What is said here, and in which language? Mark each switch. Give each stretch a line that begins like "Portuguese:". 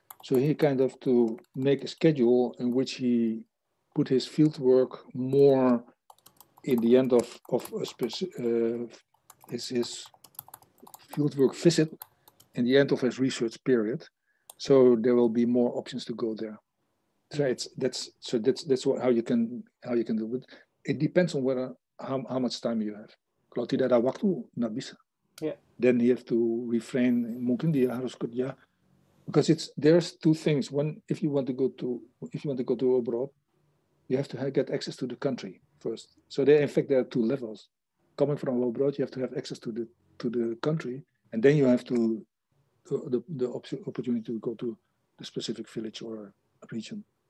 English: So he kind of to make a schedule in which he put his field work more in the end of a specific, his field work visit in the end of his research period. So there will be more options to go there. So that's how you can do it. It depends on whether how much time you have.
Indonesian: Kalau tidak ada waktu, nggak bisa.
English: Yeah. Then you have to refrain.
Indonesian: Mungkin dia harus kerja.
English: Because there's two things. One, if you want to go to abroad, you have to get access to the country first. So there are two levels. Coming from abroad, you have to have access to the country, and then you have to the opportunity to go to the specific village or region.